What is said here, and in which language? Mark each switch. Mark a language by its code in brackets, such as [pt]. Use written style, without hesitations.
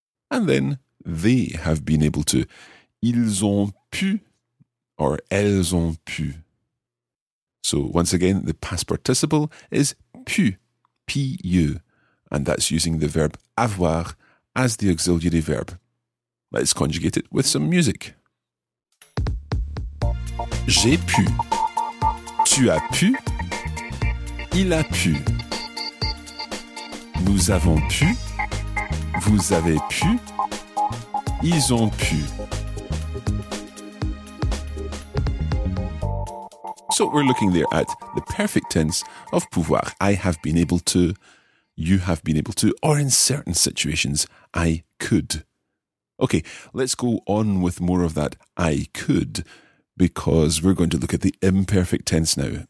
[en] And then, they have been able to, [fr] ils ont pu, [en] or [fr] elles ont pu. [en] So, once again, the past participle is pu, P-U, and that's using the verb avoir as the auxiliary verb. Let's conjugate it with some music. [fr] J'ai pu, tu as pu, il a pu, nous avons pu, vous avez pu, ils ont pu. [en] So we're looking there at the perfect tense of pouvoir. I have been able to, you have been able to, or in certain situations, I could. Okay, let's go on with more of that I could, because we're going to look at the imperfect tense now.